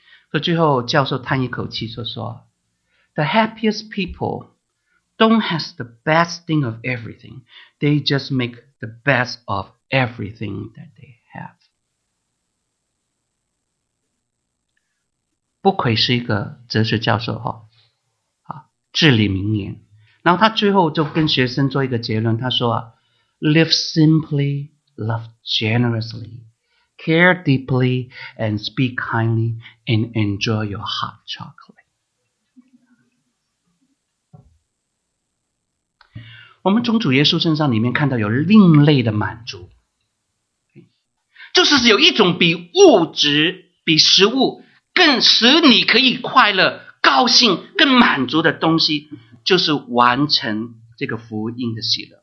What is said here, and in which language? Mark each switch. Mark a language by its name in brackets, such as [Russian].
[Chinese] 所以最后教授叹一口气说 [English] The happiest peopledon't have the best thing of everything. They just make the best of everything that they have. [Chinese] 不愧是一个哲学教授哈，至理名言。然后他最后就跟学生做一个结论，他说啊 [English] ,live simply, love generously, care deeply, and speak kindly, and enjoy your hot chocolate. [Chinese] 我们从主耶稣身上里面看到有另类的满足，就是有一种比物质、比食物更使你可以快乐、高兴、更满足的东西，就是完成这个福音的喜乐。